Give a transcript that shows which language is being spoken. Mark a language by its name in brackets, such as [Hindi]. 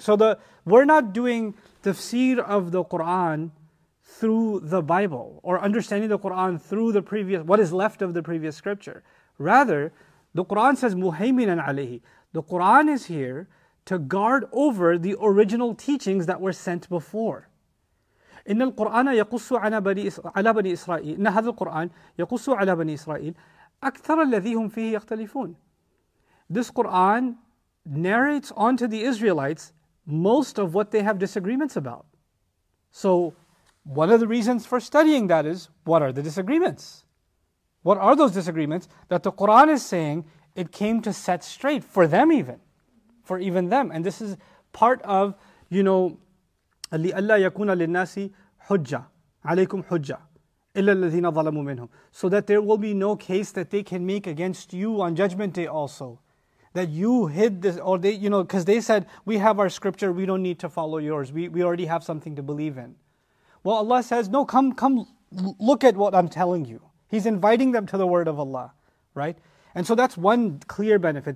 [English] So we're not doing tafsir of the Quran through the Bible or understanding the Quran through the previous, what is left of the previous scripture. Rather, the Quran says muhaiminan alayhi. The Quran is here to guard over the original teachings that were sent before. [Arabic] إن القرآن يقص على بني إسرائيل إن هذا القرآن يقص على بني إسرائيل أكثر الذي هم فيه يختلفون. [English] This Quran narrates onto the Israelites most of what they have disagreements about. So one of the reasons for studying that is, what are the disagreements? What are those disagreements that the Quran is saying it came to set straight for them even? For even them. And this is part of, you know, [Arabic] لِأَلَّا يَكُونَ لِلنَّاسِ حُجَّةٌ عَلَيْكُمْ حُجَّةٌ إِلَّا الَّذِينَ ظَلَمُوا مِنْهُمْ. [English] So that there will be no case that they can make against you on Judgment Day also. That you hid this, or they, you know, because they said, we have our scripture, we don't need to follow yours. We already have something to believe in. Well, Allah says, no, come look at what I'm telling you. He's inviting them to the word of Allah, right? And so that's one clear benefit.